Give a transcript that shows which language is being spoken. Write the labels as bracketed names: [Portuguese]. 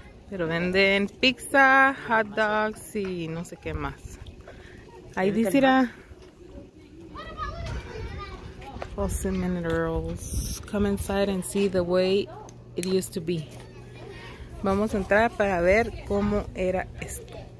[Spanish] Pero venden pizza, hot dogs y no sé qué más. Ahí dice era. [English] Awesome minerals. Come inside and see the way it used to be. [Spanish] Vamos a entrar para ver cómo era esto.